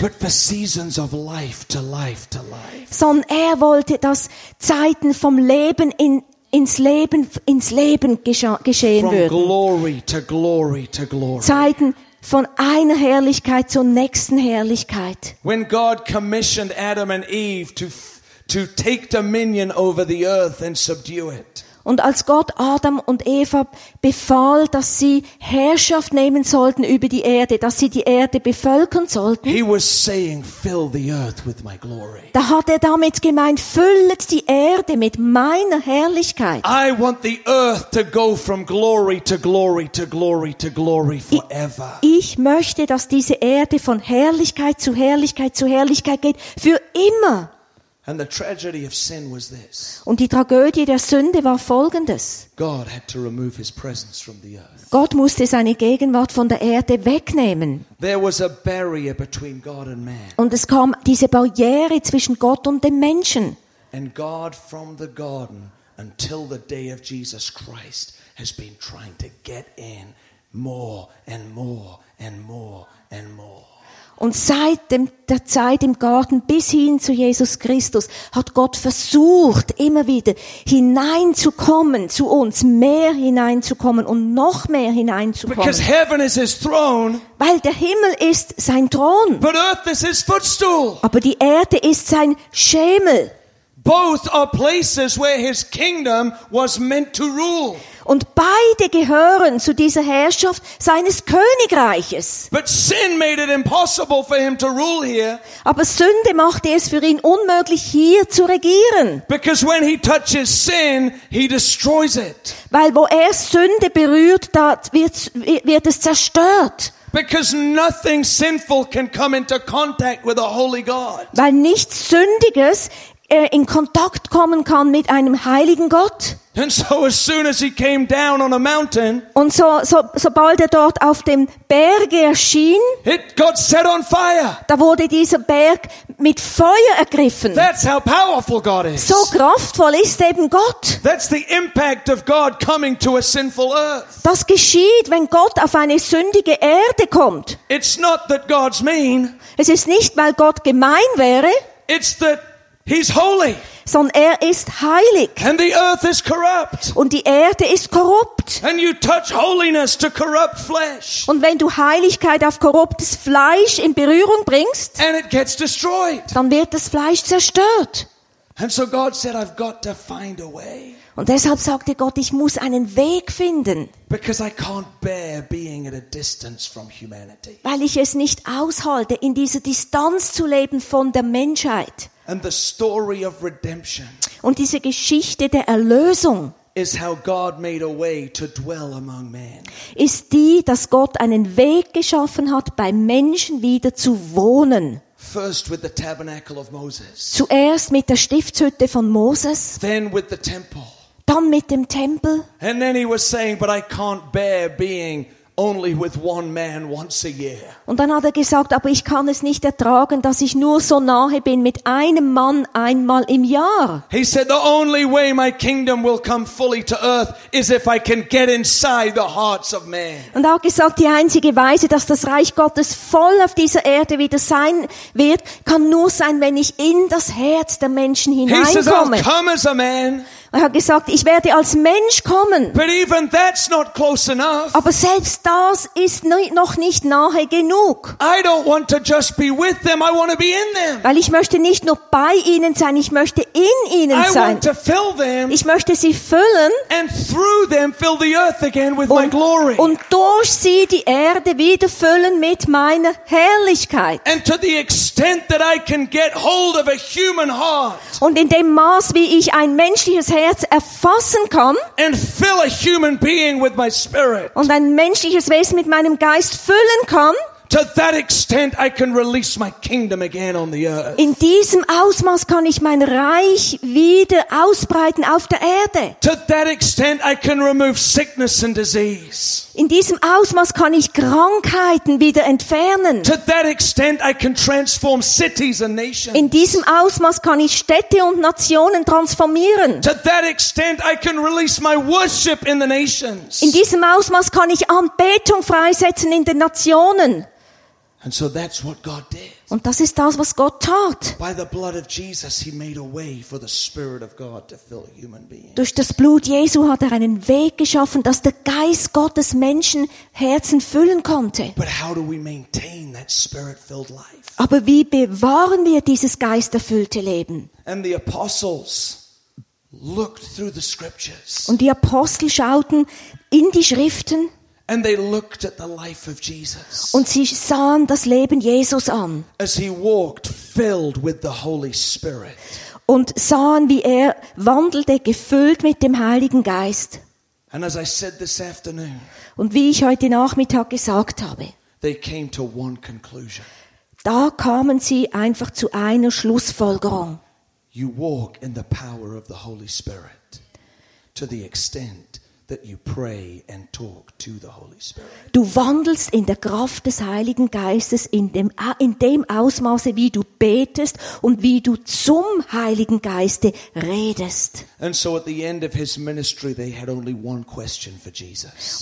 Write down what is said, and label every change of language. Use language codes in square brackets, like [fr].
[en] But for seasons of life to life to life. [de] Sondern er wollte, dass Zeiten vom Leben ins Leben geschehen [en] from [de] würden. [en] Glory to glory to glory. [de] Zeiten von einer Herrlichkeit zur nächsten Herrlichkeit. [en] When God commissioned Adam and Eve to take dominion over the earth and subdue it. [de] Und als Gott Adam und Eva befahl, dass sie Herrschaft nehmen sollten über die Erde, dass sie die Erde bevölkern sollten, [en] he was saying, fill the earth with my glory. [de] Da hat er damit gemeint, füllet die Erde mit meiner Herrlichkeit. [en] I want the earth to go from glory to glory to glory to glory forever. [de] Ich möchte, dass diese Erde von Herrlichkeit zu Herrlichkeit zu Herrlichkeit geht, für immer. [en] And the tragedy of sin was this. [de] Und die Tragödie der Sünde war folgendes. [en] God had to remove his presence from the earth. [de] Gott musste seine Gegenwart von der Erde wegnehmen. [en] There was a barrier between God and man. [de] Und es kam diese Barriere zwischen Gott und dem Menschen. [en] And God from the garden until the day of Jesus Christ has been trying to get in more and more and more and more. [de] Und seit der Zeit im Garten bis hin zu Jesus Christus hat Gott versucht, immer wieder hineinzukommen zu uns, mehr hineinzukommen und noch mehr hineinzukommen. [en] Because heaven is his throne. [de] Weil der Himmel ist sein Thron. [en] But earth is his footstool. [de] Aber die Erde ist sein Schemel. [en] Both are places where his kingdom was meant to rule. [de] Und beide gehören zu dieser Herrschaft seines Königreiches. [en] But sin made it impossible for him to rule here. [de] Aber Sünde machte es für ihn unmöglich, hier zu regieren. [en] Because when he touches sin, he destroys it. [de] Weil wo er Sünde berührt, da wird es zerstört. [en] Because nothing sinful can come into contact with a holy God. [de] Weil nichts Sündiges in Kontakt kommen kann mit einem heiligen Gott. [en] And so as soon as he came down on a mountain, [de] und sobald dort auf dem Berg erschien, [en] it got set on fire. [de] Da wurde dieser Berg mit Feuer ergriffen. [en] That's how powerful God is. [de] So kraftvoll ist eben Gott. [en] That's the impact of God coming to a sinful earth. [de] Das geschieht, wenn Gott auf eine sündige Erde kommt. [en] It's not that God's mean. [de] Es ist nicht, weil Gott gemein wäre. [en] It's that he's holy. [de] Sondern er ist heilig. [en] And the earth is corrupt. [de] Und die Erde ist korrupt. [en] And you touch holiness to corrupt flesh. [de] Und wenn du Heiligkeit auf korruptes Fleisch in Berührung bringst, [en] and it gets destroyed. [de] Dann wird das Fleisch zerstört. [en] And so God said, I've got to find a way. [de] Und deshalb sagte Gott, ich muss einen Weg finden. [en] Because I can't bear being at a distance from humanity. [de] Weil ich es nicht aushalte, in dieser Distanz zu leben von der Menschheit. [en] And the story of redemption. [de] Und diese Geschichte der Erlösung [en] is how God made a way to dwell among men. [de] Ist die, dass Gott einen Weg geschaffen hat, bei Menschen wieder zu wohnen. [en] First with the tabernacle of Moses. [de] Zuerst mit der Stiftshütte von Moses. [en] Then with the temple. [de] Dann mit dem Tempel. [en] And then he was saying, but I can't bear being only with one man once a year. [de] Und dann hat er gesagt, aber ich kann es nicht ertragen, dass ich nur so nahe bin mit einem Mann einmal im Jahr. [en] He said, the only way my kingdom will come fully to earth is if I can get inside the hearts of men. [de] Und auch gesagt, die einzige Weise, dass das Reich Gottes voll auf dieser Erde wieder sein wird, kann nur sein, wenn ich in das Herz der Menschen hineinkomme. [en] He says, I'll come as a man. [de] Er hat gesagt, ich werde als Mensch kommen. [en] But even that's not close enough. [de] Aber selbst das ist noch nicht nahe genug. [en] I don't want to just be with them, I want to be in them. [de] Weil ich möchte nicht nur bei ihnen sein, ich möchte in ihnen sein. [en] I want to fill them. [de] Ich möchte sie füllen. [en] And through them fill the earth again with my glory. [de] Und durch sie die Erde wieder füllen mit meiner Herrlichkeit. [en] And to the extent that I can get hold of a human heart. [de] Und in dem Maß, wie ich ein menschliches Herz erfassen kann, [en] and fill a human being with my spirit. [de] Und ein menschliches Wesen mit meinem Geist füllen kann, [en] to that extent I can release my kingdom again on the earth. [de] In diesem Ausmaß kann ich mein Reich wieder ausbreiten auf der Erde. [en] To that extent I can remove sickness and disease. [de] In diesem Ausmaß kann ich Krankheiten wieder entfernen. [en] To that extent I can transform cities and nations. [de] In diesem Ausmaß kann ich Städte und Nationen transformieren. [en] To that extent I can release my worship in the nations. [de] In diesem Ausmaß kann ich Anbetung freisetzen in den Nationen. [en] And so that's what God did. [de] Und das ist das, was Gott tat. [en] By the blood of Jesus, he made a way for the Spirit of God to fill human beings. [de] Durch das Blut Jesu hat einen Weg geschaffen, dass der Geist Gottes Menschen Herzen füllen konnte. [en] But how do we maintain that spirit-filled life? [de] Aber wie bewahren wir dieses geisterfüllte Leben? [en] And the apostles looked through the scriptures. [de] Und die Apostel schauten in die Schriften. [en] And they looked at the life of Jesus. [de] Und sie sahen das Leben Jesus an. [en] As he walked filled with the Holy Spirit. [de] Und sahen, wie er wandelte, gefüllt mit dem Heiligen Geist. [en] And as I said this afternoon. [de] Und wie ich heute Nachmittag gesagt habe. [en] They came to one conclusion. [de] Da kamen sie einfach zu einer Schlussfolgerung. [en] You walk in the power of the Holy Spirit to the extent that you pray and talk to the Holy Spirit. [de] Du wandelst in der Kraft des Heiligen Geistes in dem Ausmaße, wie du betest und wie du zum Heiligen Geiste redest. [en] And so at the end of his ministry they had only one question for Jesus.